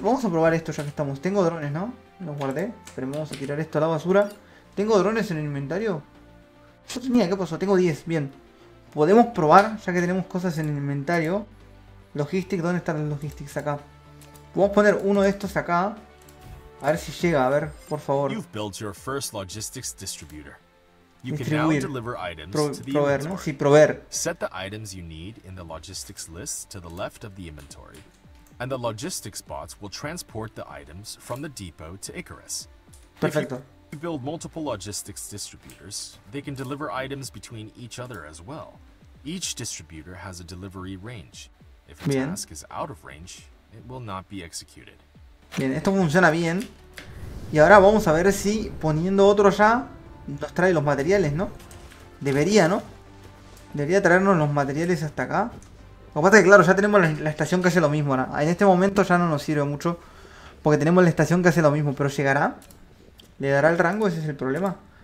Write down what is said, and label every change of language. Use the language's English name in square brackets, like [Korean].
[Spanish] Vamos a probar esto ya que estamos. Tengo drones, ¿no? Los guardé. Pero vamos a tirar esto a la basura. ¿Tengo drones en el inventario? Yo tenía, ¿qué pasó? Tengo 10, bien. Podemos probar, ya que tenemos cosas en el inventario. Logistics, ¿dónde están los logistics? Acá. Podemos poner uno de estos acá. A ver si llega, a ver, por favor. [English] You've built your first logistics distributor. You can now deliver items to the proveer, inventory. [Spanish] ¿No? Sí, proveer. [English] Set the items you need in the logistics list to the left of the inventory. And the logistics bots will transport the items from the depot to Icarus. [Spanish] Perfecto. [English] If you build multiple logistics distributors, they can deliver items between each other as well. Each distributor has a delivery range. If a bien. Task is out of range, it will not be executed. [Spanish] Bien, esto funciona bien. Y ahora vamos a ver si poniendo otro allá nos trae los materiales, ¿no? Debería, ¿no? Debería traernos los materiales hasta acá. Lo que pasa es que, claro, ya tenemos la estación que hace lo mismo, ¿no? En este momento ya no nos sirve mucho. Porque tenemos la estación que hace lo mismo, pero llegará. ¿Le dará el rango? Ese es el problema.